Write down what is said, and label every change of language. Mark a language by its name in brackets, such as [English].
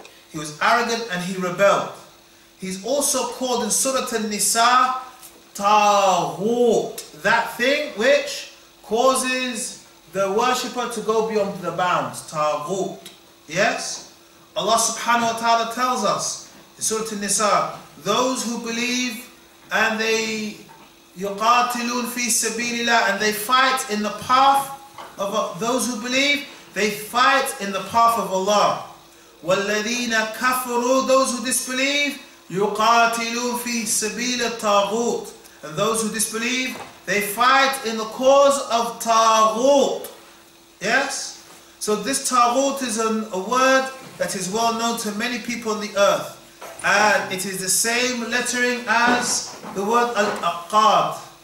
[English] He was arrogant and he rebelled. He's also called in Surah An-Nisa, Tawhut, that thing which causes the worshipper to go beyond the bounds. Tawhut. Yes? Allah subhanahu wa ta'ala tells us in Surah An-Nisa, those who believe and they [Arabic] yuqatilun fi sabilillah [English] and they fight in the path of those who believe, they fight in the path of Allah. [Arabic] وَالَّذِينَ كَفَرُوا [English] those who disbelieve, [Arabic] يُقَاتِلُوا فِي سَبِيلَ الطَّاغُوت. [English] And those who disbelieve, they fight in the cause of طَاغُوت. Yes? So this طَاغُوت is a word that is well known to many people on the earth. And it is the same lettering as the word Al-Aqad.